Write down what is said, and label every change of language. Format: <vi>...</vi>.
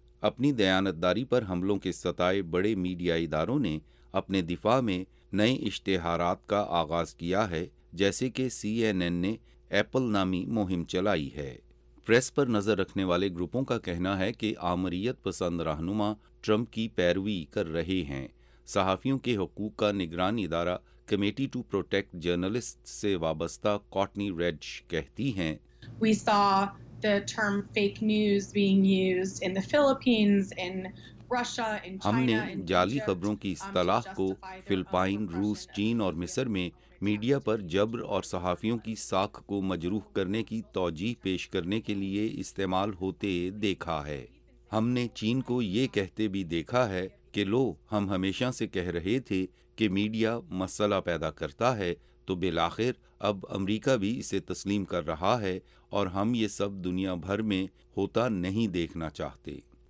<ur>اپنی دیانتداری پر حملوں کے ستائے بڑے میڈیا اداروں نے اپنے دفاع میں نئے اشتہارات کا آغاز کیا ہے، جیسے کہ سی این این نے ایپل نامی مہم چلائی ہے۔ پریس پر نظر رکھنے والے گروپوں کا کہنا ہے کہ آمریت پسند رہنما ٹرمپ کی پیروی کر رہے ہیں۔ صحافیوں کے حقوق کا نگران ادارہ کمیٹی ٹو پروٹیکٹ جرنلسٹ سے وابستہ کوٹنی ریڈج کہتی ہیں،</ur> <en>We saw the term fake news being used in the Philippines, in Russia, in China,</en> <ur>ہم نے جعلی خبروں کی اصطلاح کو فلپائن، روس، چین اور مصر میں میڈیا پر جبر اور صحافیوں کی ساکھ کو مجروح کرنے کی توجیہ پیش کرنے کے لیے استعمال ہوتے دیکھا ہے۔ ہم نے چین کو یہ کہتے بھی دیکھا ہے کہ لو، ہم ہمیشہ سے کہہ رہے تھے کہ میڈیا مسئلہ پیدا کرتا ہے، تو بالآخر اب امریکہ بھی اسے تسلیم کر رہا ہے اور ہم یہ سب دنیا بھر میں ہوتا نہیں دیکھنا چاہتے۔</ur>